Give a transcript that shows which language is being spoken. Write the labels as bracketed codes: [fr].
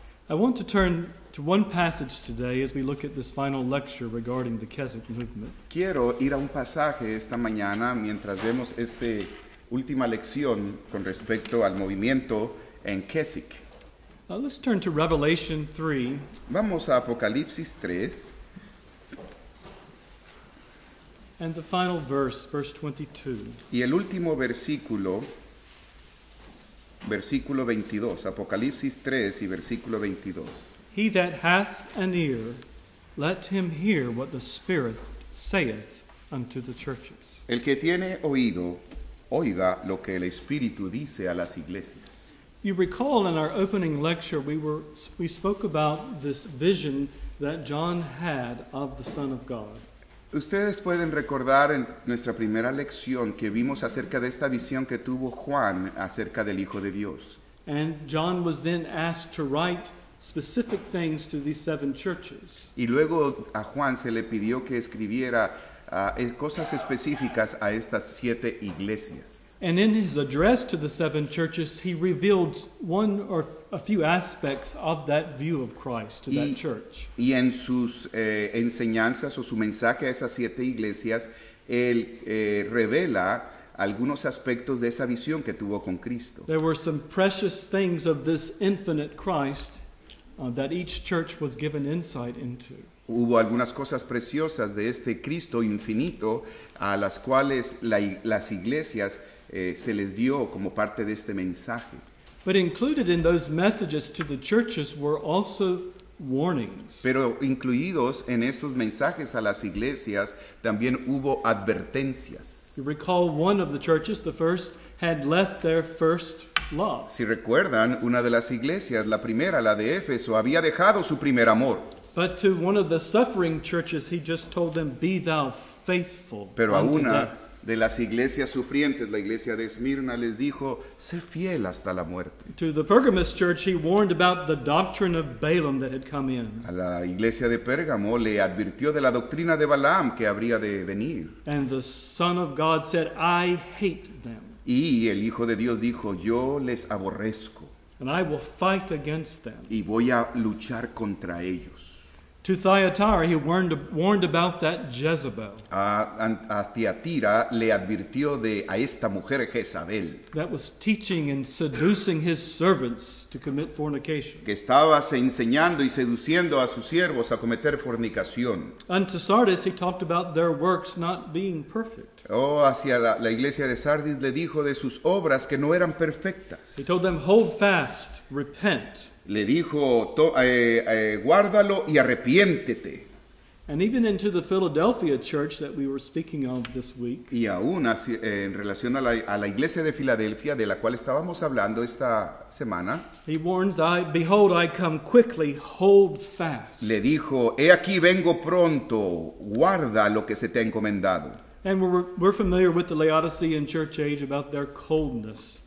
[en] I want to turn to one passage today as we look at this final lecture regarding the Keswick movement. [es] Quiero ir a un pasaje esta mañana mientras vemos esta última lección con respecto al movimiento en Keswick. [en] Let's turn to Revelation 3. [es] Vamos a Apocalipsis 3. [en] And the final verse, verse 22. [es] Y el último versículo, versículo 22, Apocalipsis 3 y versículo 22. [en] He that hath an ear, let him hear what the Spirit saith unto the churches. [es] El que tiene oído, oiga lo que el Espíritu dice a las iglesias. [en] You recall in our opening lecture we spoke about this vision that John had of the Son of God. [es] Ustedes pueden recordar en nuestra primera lección que vimos acerca de esta visión que tuvo Juan acerca del Hijo de Dios. [en] And John was then asked to write specific things to these seven churches. [es] Y luego a Juan se le pidió que escribiera cosas específicas a estas siete iglesias. [en] And in his address to the seven churches, he revealed one or a few aspects of that view of Christ to that church. [es] Y en sus enseñanzas o su mensaje a esas siete iglesias, él revela algunos aspectos de esa visión que tuvo con Cristo. [en] There were some precious things of this infinite Christ that each church was given insight into. [es] Hubo algunas cosas preciosas de este Cristo infinito a las cuales las iglesias se les dio como parte de este mensaje. [en] But included in those messages to the churches were also warnings. [es] Pero incluidos en esos mensajes a las iglesias también hubo advertencias. [en] You recall one of the churches, the first, had left their first love. [es] Si recuerdan, una de las iglesias, la primera, la de Éfeso, había dejado su primer amor. [en] But to one of the suffering churches, he just told them, "Be thou faithful." [es] Pero a una de las iglesias sufrientes, la iglesia de Esmirna, les dijo, "Sé fiel hasta la muerte." [en] To the Pergamus church, he warned about the doctrine of Balaam that had come in. [es] A la iglesia de Pérgamo le advirtió de la doctrina de Balaam que habría de venir. [en] And the Son of God said, "I hate them." [es] Y el Hijo de Dios dijo, "Yo les aborrezco." [en] And I will fight against them. [es] Y voy a luchar contra ellos. [en] To Thyatira, he warned about that Jezebel. [es] A Thyatira le advirtió de a esta mujer Jezabel. [en] That was teaching and seducing his servants to commit fornication. [es] Que estaba enseñando y seduciendo a sus siervos a cometer fornicación. [en] Unto Sardis, he talked about their works not being perfect. [es] Hacia la iglesia de Sardis le dijo de sus obras que no eran perfectas. [en] He told them, "Hold fast, repent." [es] Le dijo, guárdalo y arrepiéntete. [en] And even into the Philadelphia church that we were speaking of this week. [es] Y aún así, en relación a la iglesia de Filadelfia, de la cual estábamos hablando esta semana. [en] He warns, "Behold, I come quickly, hold fast." [es] Le dijo, "He aquí, vengo pronto, guarda lo que se te ha encomendado." [en] And we're familiar with the Laodicean church age about their coldness.